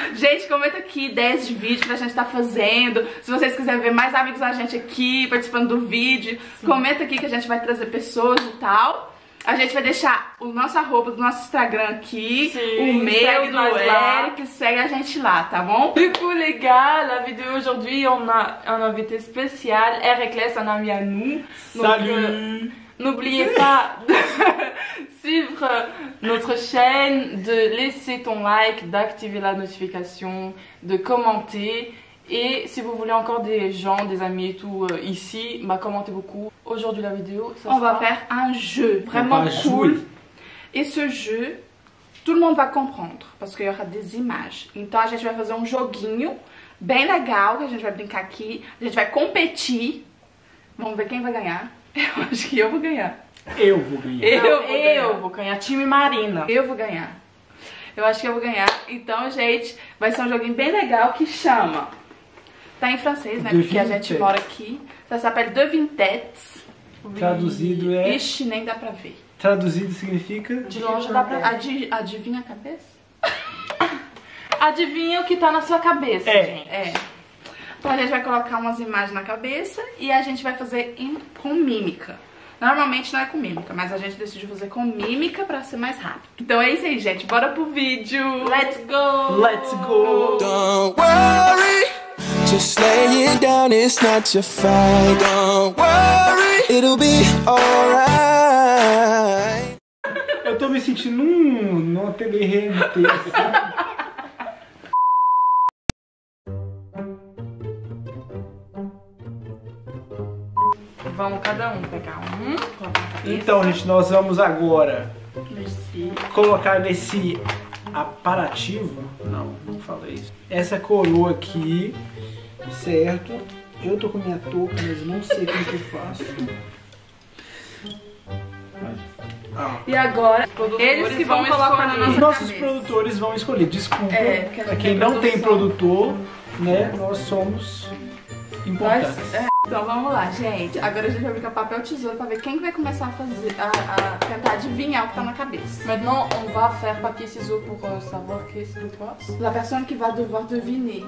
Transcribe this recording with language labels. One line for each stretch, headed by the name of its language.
Portuguese: Gente, comenta aqui ideias de vídeo pra gente estar fazendo. Se vocês quiserem ver mais amigos da gente aqui participando do vídeo, comenta aqui que a gente vai trazer pessoas e tal. A gente vai deixar o nosso arroba do nosso Instagram aqui, sim, o meu, do Eric, segue a gente lá, tá bom? Tipo, legal, a vídeo de hoje é uma vida especial, Ericlis,
French: un ami à nous. Salut! N'oubliez pas de suivre notre chaîne, de laisser ton like, d'activer la notification, de commenter. Et si vous voulez encore des gens, des amis et tout ici, bah commentez beaucoup. Aujourd'hui la vidéo, ça on va faire un jeu vraiment cool. Jouer. Et ce jeu, tout le monde va comprendre parce qu'il y aura des images.
Portuguese: Então a gente vai fazer um joguinho bem legal que a gente vai brincar aqui. A gente vai competir. Vamos ver quem vai ganhar. Eu acho que eu vou ganhar. Eu vou ganhar. Eu vou ganhar. Time Marina. Eu vou ganhar. Eu acho que eu vou ganhar. Então, gente, vai ser um joguinho bem legal que chama... Tá em francês, né? Porque a gente mora aqui.
French: Ça s'appelle Deux Vintettes.
Portuguese: Traduzido é... Ixi, nem dá pra ver. Traduzido significa... De longe dá pra... Adivinha a cabeça? Adivinha o que tá na sua cabeça, gente. É. Então a gente vai colocar umas imagens na cabeça e a gente vai fazer com mímica. Normalmente não é com mímica, mas a gente decidiu fazer com mímica pra ser mais rápido. Então é isso aí, gente. Bora pro vídeo.
English: Let's go! Let's go! Don't worry, just lay it down, it's not your fight. Don't worry, it'll be alright.
Portuguese: Eu tô me sentindo num TV-RMT. Vamos cada um pegar um. Então, gente, nós vamos agora colocar nesse aparativo. Não, não falei isso. Essa coroa aqui, certo? Eu tô com minha touca, mas não sei como que eu faço. E agora, eles que vão colocar na nossa. Nossos cabeça. Produtores vão escolher. Desculpa, pra quem não tem produtor, né? Nós somos importantes. Então vamos lá, gente. Agora a gente vai brincar papel tesoura pra ver quem vai começar a fazer, a tentar adivinhar o que tá na cabeça.
French: Maintenant, on va faire papier ciseaux pour savoir que c'est le quoi? La personne qui va devoir deviner